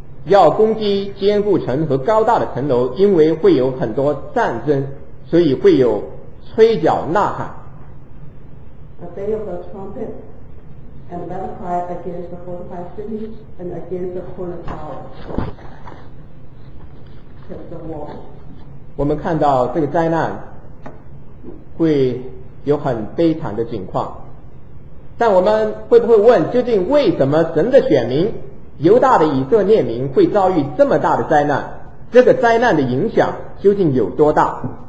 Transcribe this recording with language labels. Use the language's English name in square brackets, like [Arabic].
[Chinese] 要攻击坚固城和高大的城楼，因为会有很多战争，所以会有吹角呐喊。 [English] A day of the trumpet and battle cry against the fortified cities and against the corner towers. Hit the wall. [Chinese] 我们看到这个灾难会有很悲惨的景况，但我们会不会问，究竟为什么神的选民？犹大的以色列民会遭遇这么大的灾难，这个灾难的影响究竟有多大？